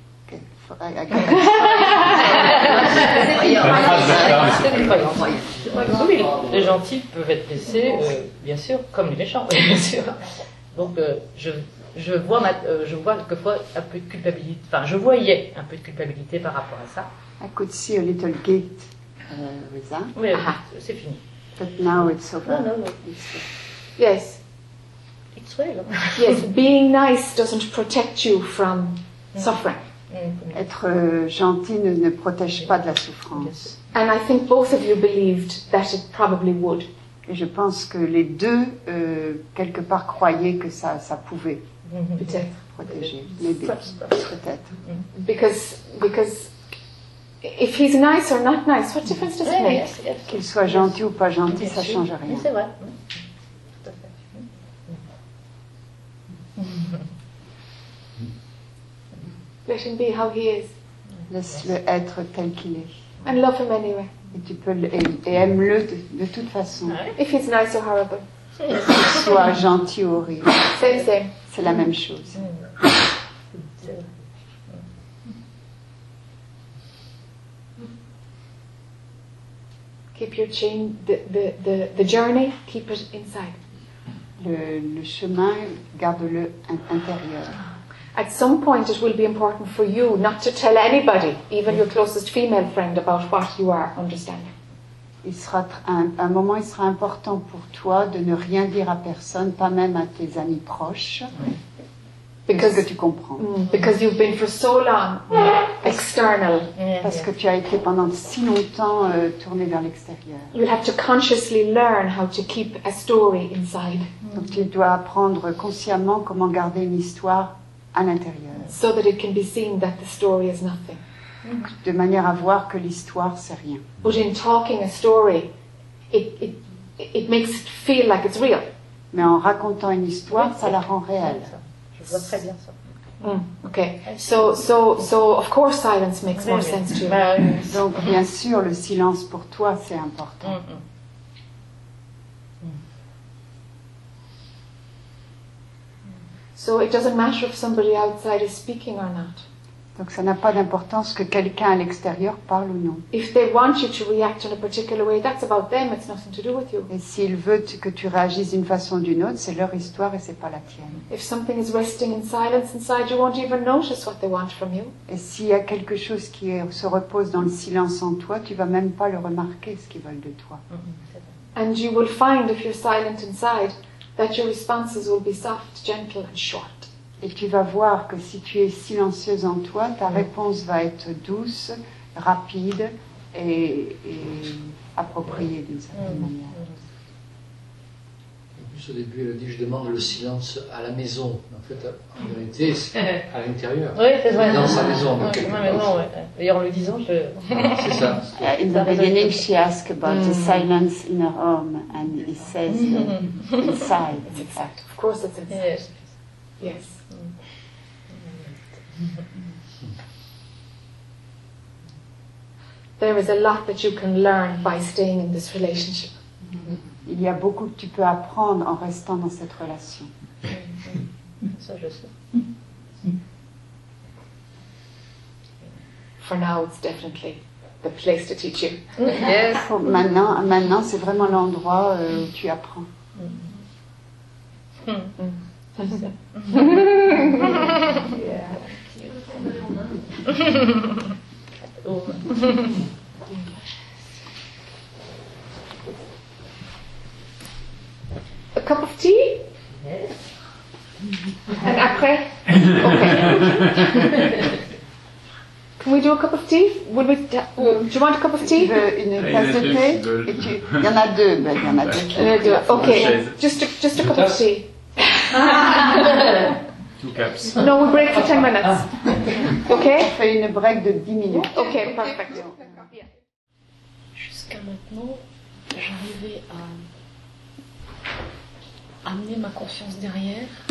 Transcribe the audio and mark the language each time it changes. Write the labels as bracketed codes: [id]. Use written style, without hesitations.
[fr] Oui, les gentils peuvent être blessés, bien sûr, comme les méchants, bien sûr. Donc, je voyais un peu de culpabilité par rapport à ça. [en] I could see a little guilt with that. [fr] Oui, c'est fini. [en] But now it's over. No. Yes. It's real. Yes, being nice doesn't protect you from suffering. [fr] Être gentil ne protège pas de la souffrance. [en] And I think both of you believed that it probably would. [fr] Et je pense que les deux quelque part croyaient que ça pouvait peut-être protéger. [en] Maybe. [fr] Peut-être. [en] Because if he's nice or not nice, what difference does it make? [fr] Qu'il soit gentil ou pas gentil, ça change rien. C'est vrai. [en] Let him be how he is. [fr] Laisse-le être tel qu'il est. [en] And love him anyway. [fr] Et tu peux et aime-le de toute façon. [en] If he's nice or horrible. [fr] Sois gentil ou horrible. [en] Same. [fr] C'est la même chose. [en] Keep your chain, the journey, keep it inside. [fr] Le chemin, garde-le intérieur. [en] At some point, it will be important for you not to tell anybody, even your closest female friend, about what you are understanding. [fr] Il sera un moment, il sera important pour toi de ne rien dire à personne, pas même à tes amis proches, [en] because, [fr] que tu comprends. [en] Because you've been for so long external. [fr] Parce que tu as été pendant si longtemps tourné vers l'extérieur. [en] You'll have to consciously learn how to keep a story inside. [fr] Donc tu dois apprendre consciemment comment garder une histoire. À l'intérieur. [en] So that it can be seen that the story is nothing. [fr] De manière à voir que l'histoire c'est rien. [en] But in talking a story, it makes it feel like it's real. [fr] Mais en racontant une histoire, ça la rend réelle. Je vois très bien ça. [en] Okay. So of course silence makes more sense to you. [fr] Donc bien sûr le silence pour toi c'est important. [en] So it doesn't matter if somebody outside is speaking or not. [fr] Donc ça n'a pas d'importance que quelqu'un à l'extérieur parle ou non. [en] If they want you to react in a particular way, that's about them, it's nothing to do with you. [fr] Et s'ils veulent que tu réagisses d'une façon ou d'une autre, c'est leur histoire et c'est pas la tienne. [en] If something is resting in silence inside, you won't even notice what they want from you. [fr] Et s'il y a quelque chose qui se repose dans le silence en toi, tu vas même pas le remarquer ce qu'ils veulent de toi. [en] And you will find if you're silent inside, that your responses will be soft, gentle, and short. [fr] Et tu vas voir que si tu es silencieuse en toi, ta réponse va être douce, rapide et appropriée d'une certaine manière. En plus, au début, elle a dit, je demande le silence à la maison. En fait, en vérité, c'est à l'intérieur. Oui, c'est vrai. Dans sa maison. Dans D'ailleurs, en le disant, je... Ah, c'est ça. [en] In the beginning, she asked about the silence in her home, and he says inside. It's exact. Of course, it's inside. Yes. Yes. There is a lot that you can learn by staying in this relationship. [fr] Il y a beaucoup que tu peux apprendre en restant dans cette relation. Ça, je sais. [en] For now, it's definitely the place to teach you. Yes. [fr] Maintenant, c'est vraiment l'endroit où tu apprends. Mm-hmm. [en] Yeah. A cup of tea? Yes. And après? Okay. Can we do a cup of tea? Would we do you want a cup of tea? In a place [fr] de thé? Il y en a deux, mais il y en a deux. [en] Okay, just a cup of tea. Two cups. No, we break for 10 minutes. Okay? [fr] On fait une break de 10 minutes. [en] Okay, perfect. [fr] Jusqu'à maintenant, j'arrivais à amener ma conscience derrière.